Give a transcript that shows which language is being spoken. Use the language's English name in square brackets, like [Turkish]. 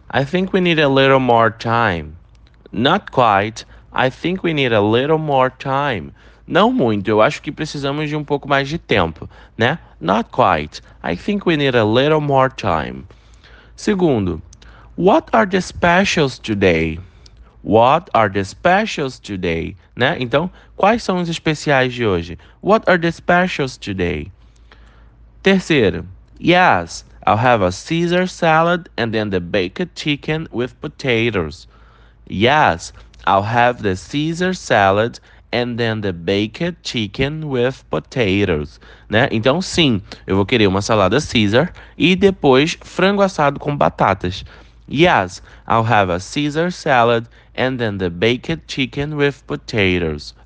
[English] I think we need a little more time. Not quite. I think we need a little more time. [Portuguese] Não muito, eu acho que precisamos de um pouco mais de tempo, né? [English] Not quite. I think we need a little more time. [Portuguese] Segundo, [English] what are the specials today? What are the specials today? [Portuguese] Né? Então, quais são os especiais de hoje? [English] What are the specials today? [Portuguese] Terceiro, [English] yes, I'll have a Caesar salad and then the baked chicken with potatoes. Yes, I'll have the Caesar salad and then the baked chicken with potatoes. Né? [Portuguese] Então, sim, eu vou querer uma salada Caesar e depois frango assado com batatas. [English] Yes, I'll have a Caesar salad and then the baked chicken with potatoes.